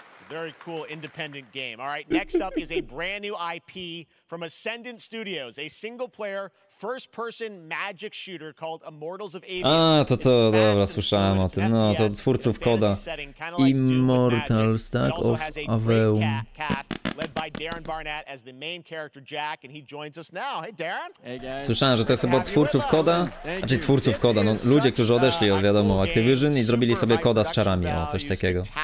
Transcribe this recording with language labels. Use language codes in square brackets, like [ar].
[en] Very cool independent game. All right, next up is a brand new IP from Ascendant Studios, a single player first person magic shooter called Immortals of Avia. [pl] A to dobra, słyszałem o tym. No, to twórców Koda. Immortals, tak, of Aveum. [en] Led by Darren Barnett as the main character Jack, and he joins us now. Hey Darren. Hey guys. [pl] Słyszałem, że to jest twórców Koda. Znaczy twórców Koda, no ludzie, którzy odeszli od wiadomo Activision i zrobili sobie Koda z czarami, o coś takiego.